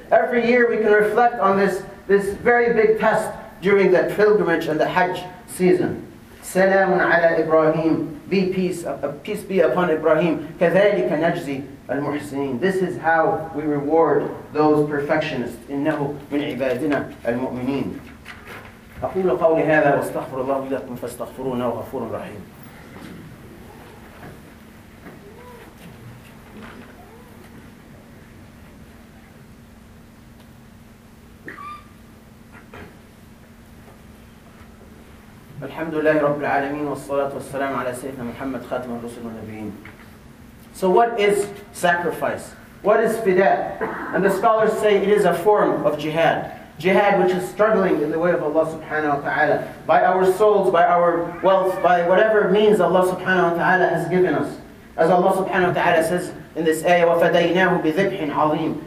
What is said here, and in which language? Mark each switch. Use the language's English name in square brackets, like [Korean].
[English] Every year we can reflect on this very big test during the pilgrimage and the Hajj season. [Arabic] سَلَامٌ عَلَى إِبْرَاهِيمٌ. [English] Be peace, peace be upon Ibrahim. [Arabic] كَذَلِكَ نَجْزِي الْمُحْسِنِينَ. [English] This is how we reward those perfectionists. [Arabic] إِنَّهُ مِنْ عِبَادِنَا الْمُؤْمِنِينَ. أقول قولي هذا واستغفر الله لكم فاستغفرونه غفور رحيم. الحمد لله رب العالمين والصلاة والسلام على سيدنا محمد خاتم الرسل والنبيين. [English] So what is sacrifice? What is fida? And the scholars say it is a form of jihad. Jihad, which is struggling in the way of Allah subhanahu wa ta'ala, by our souls, by our wealth, by whatever means Allah subhanahu wa ta'ala has given us. As Allah subhanahu wa ta'ala says in this ayah, [Arabic] وَفَدَيْنَاهُ بِذِبْحٍ عَظِيمٍ.